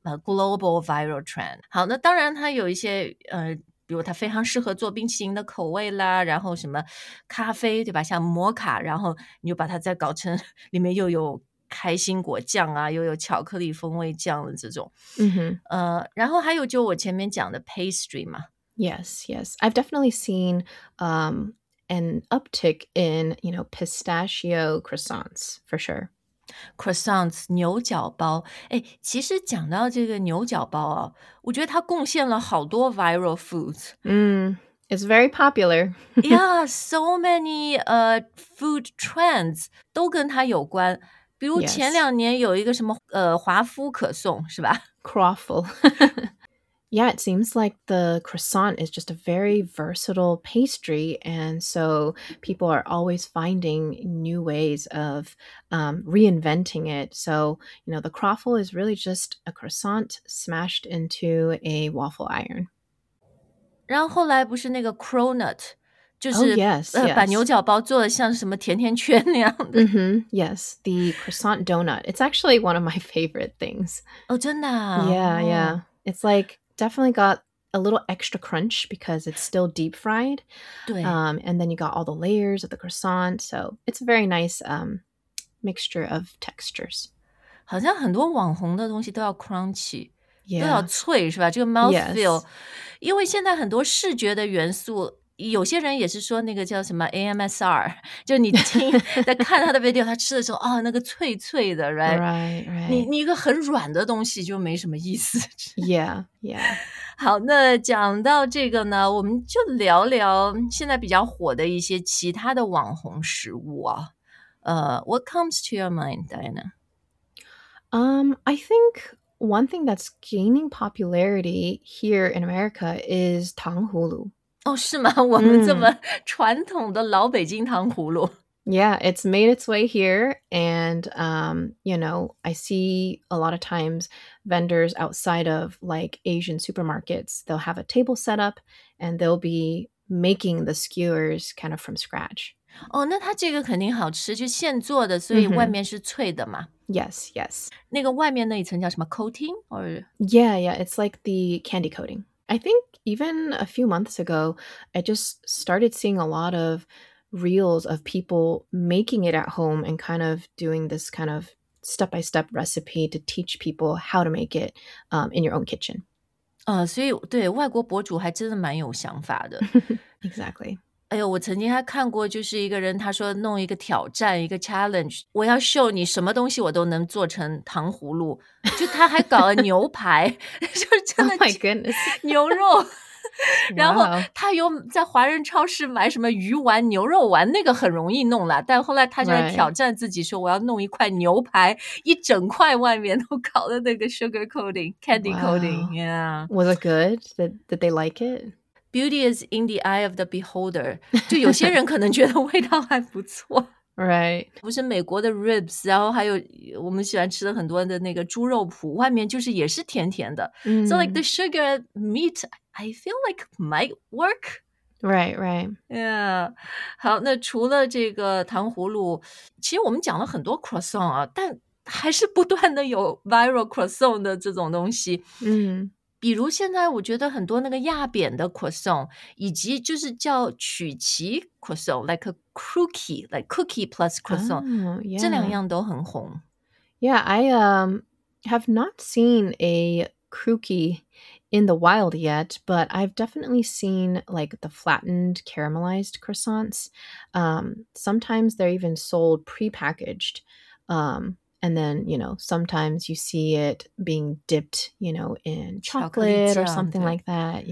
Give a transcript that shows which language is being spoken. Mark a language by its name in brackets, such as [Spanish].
[English] global viral trend. [Chinese] 好，那当然它有一些比如它非常适合做冰淇淋的口味啦，然后什么咖啡对吧，像摩卡，然后你就把它再搞成里面又有开心果酱啊，又有巧克力风味酱的这种。嗯哼。然后还有就我前面讲的 pastry 嘛。 [English] Yes, yes. I've definitely seen an uptick in, you know, pistachio croissants, for sure. [Chinese] Croissants, 牛角包。诶，其实讲到这个牛角包啊，我觉得它贡献了好多 viral foods. [English] It's very popular. Yeah, so many food trends [Chinese] 都跟它有关。比如前两年有一个什么华夫可颂是吧 [English] ?Croffle. Yeah, it seems like the croissant is just a very versatile pastry, and so people are always finding new ways of reinventing it. So, you know, the croffle is really just a croissant smashed into a waffle iron. [Chinese] 然后后来不是那个 cronut, 就是、 [English] oh, yes, yes. [Chinese] 把牛角包做的像什么甜甜圈那样的。 [English] Mm-hmm, yes, the croissant donut. It's actually one of my favorite things. [Chinese] Oh, 真的啊? [English] Yeah, yeah. It's like... Definitely got a little extra crunch because it's still deep fried. And then you got all the layers of the croissant. So it's a very nice mixture of textures. [Chinese] 好像很多网红的东西都要 crunchy, [English] yeah. [Chinese] 都要脆是吧？这个 mouthfeel. [English] Yes. [Chinese] 因为现在很多视觉的元素有些人也是说那个叫什么 AMSR, 就你听在看他的 video, 他吃的时候啊、哦、那个脆脆的 right? [English] Right, right. [Chinese] 你一个很软的东西就没什么意思。 [English] Yeah, yeah. [Chinese] 好那讲到这个呢我们就聊聊现在比较火的一些其他的网红食物啊。 [English] What comes to your mind, Diana? I think... One thing that's gaining popularity here in America is 糖葫芦。 [Chinese] 哦，是吗？我们这么传统的老北京糖葫芦。 [English] Yeah, it's made its way here. And, you know, I see a lot of times vendors outside of like Asian supermarkets, they'll have a table set up and they'll be making the skewers kind of from scratch. [Chinese] 哦，那它这个肯定好吃，就现做的，所以外面是脆的嘛。 Mm-hmm. [English] Yes, yes. [Chinese] 那个外面那一层叫什么 coating? [English] Or... Yeah, yeah, it's like the candy coating. I think even a few months ago, I just started seeing a lot of reels of people making it at home and kind of doing this kind of step-by-step recipe to teach people how to make it in your own kitchen. [Chinese] 所以对外国博主还真的蛮有想法的。 [English] Exactly. [Chinese] 哎呦，我曾经还看过，就是一个人他说弄一个挑战，一个 challenge， 我要秀你什么东西我都能做成糖葫芦，就他还搞了牛排，就是真的、 [English] oh、my goodness. [Chinese] 牛肉，然后他有在华人超市买什么鱼丸、牛肉丸，那个很容易弄了，但后来他就挑战自己说我要弄一块牛排， [English] right. 一整块外面都搞了那个 sugar coating、candy coating、wow. yeah. Was it good? Did they like it? Beauty is in the eye of the beholder. [Chinese] 就有些人可能觉得味道还不错。 [English] Right. [Chinese] 不是美国的 ribs, 然后还有我们喜欢吃的很多的那个猪肉脯外面就是也是甜甜的。 Mm. [English] So like the sugar meat, I feel like might work. Right, right. Yeah. [Chinese] 好那除了这个糖葫芦其实我们讲了很多 croissant 啊但还是不断的有 viral croissant 的这种东西。嗯、mm.。比如现在我觉得很多那个压扁的 croissant 以及就是叫曲奇 croissant [English] like a crookie like cookie plus croissant、 oh, yeah. [Chinese] 这两样都很红 [English] Yeah, I have not seen a crookie in the wild yet but I've definitely seen like the flattened caramelized croissants sometimes they're even sold prepackaged And then, you know, sometimes you see it being dipped, you know, in chocolate or something like that.